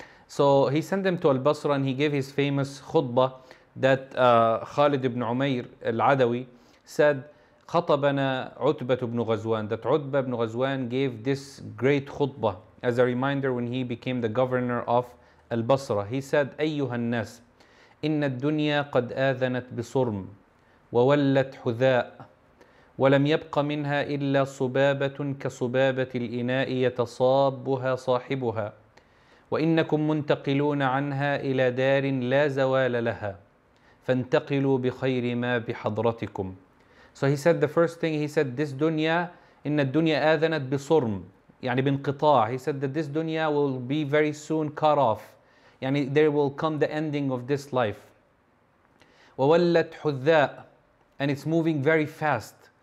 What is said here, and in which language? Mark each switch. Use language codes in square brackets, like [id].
[en] So he sent them to Al-Basra and he gave his famous khutbah that Khalid ibn Umayr al-Adawi said, [ar] خطبنا عتبة بن غزوان, [en] that عتبة بن غزوان gave this great khutbah as a reminder when he became the governor of Al-Basra. He said, [ar] أيها الناس, إن الدنيا قد آذنت بصرم وولت حذاء ولم يبق منها إلا صبابة كصبابة الإناء يتصابها صاحبها وإنكم منتقلون عنها إلى دار لا زوال لها فانتقلوا بخير ما بحضرتكم. [en] So he said the first thing, he said, this dunya, [ar] إن الدنيا آذنت بصرم, يعني بانقطاع. [en] He said that this dunya will be very soon cut off. يعني there will come the ending of this life. [ar] وولت حذاء, [en] and it's moving very fast.